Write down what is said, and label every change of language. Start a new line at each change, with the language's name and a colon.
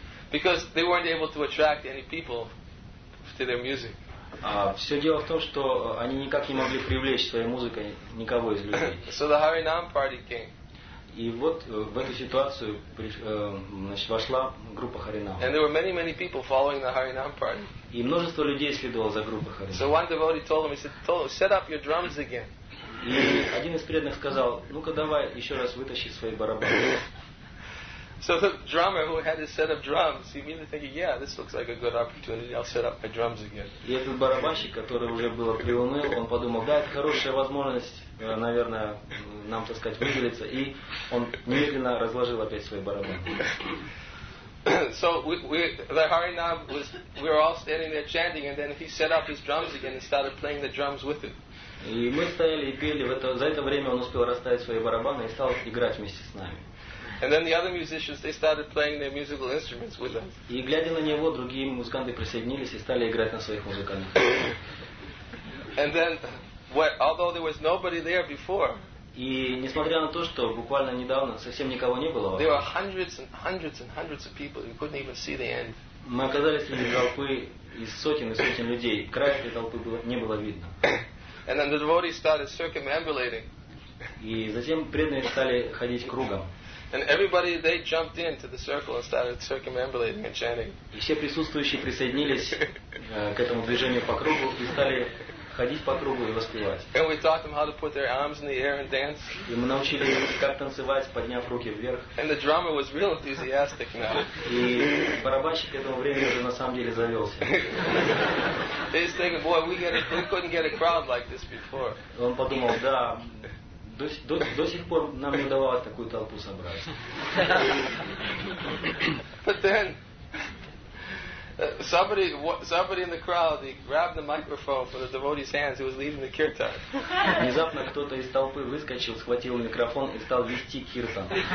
English: Because they weren't able to attract any people to their music.
Russian: Все дело в том, что они никак не могли привлечь своей музыкой никого из людей.
English: So the Harinam party came.
Russian: И вот в эту ситуацию вошла группа Харинам.
English: And there were many, many people following the Harinam party.
Russian: И множество людей следовало за группой Харинам.
English: So one devotee told him, he said, "Set up your drums again."
Russian: И один из преданных сказал: ну-ка давай еще раз вытащи свои барабаны.
English: So the drummer who had his set of drums, he immediately thinking, yeah, this looks like a good opportunity, I'll set up my drums again.
Russian: И этот барабанщик, который уже был приуныл, он подумал, да, это хорошая возможность, наверное, нам, так сказать, выделиться, и он медленно разложил опять свои барабаны.
English: So the Harinam was, we were all standing there chanting, and then he set up his drums again and started playing the drums with him.
Russian: И мы стояли и пели, за это время он успел расставить свои барабаны и стал играть вместе с нами.
English: And then the other musicians, they started playing their musical instruments with them.
Russian: И глядя на него, другие музыканты присоединились и стали играть на своих музыкальных.
English: And then, although there was nobody there before.
Russian: И несмотря на то, что буквально недавно совсем никого не было.
English: There were hundreds and hundreds and hundreds of people. You couldn't even see the end.
Russian: Мы оказались среди толпы и сотен людей. Край этой толпы не было видно.
English: And then the devotees started circumambulating.
Russian: И затем преданные стали ходить кругом.
English: And everybody, they jumped into the circle and started circumambulating and chanting.
Russian: И все присутствующие присоединились к этому движению по кругу и стали ходить по кругу и воспевать.
English: And we taught them how to put their arms in the air and dance.
Russian: И мы научили их, как танцевать, подняв руки вверх.
English: And the drummer was real enthusiastic now.
Russian: И барабанщик к этому времени уже на самом деле завелся.
English: They were thinking, boy, we couldn't get a crowd like this before.
Russian: Он подумал, да. До сих пор нам не удавалось такую толпу собрать.
English: But then somebody in the crowd, he grabbed the microphone from the devotee's hands, he was leading the kirtan.
Russian: Внезапно кто-то из толпы выскочил, схватил микрофон и стал вести киртан.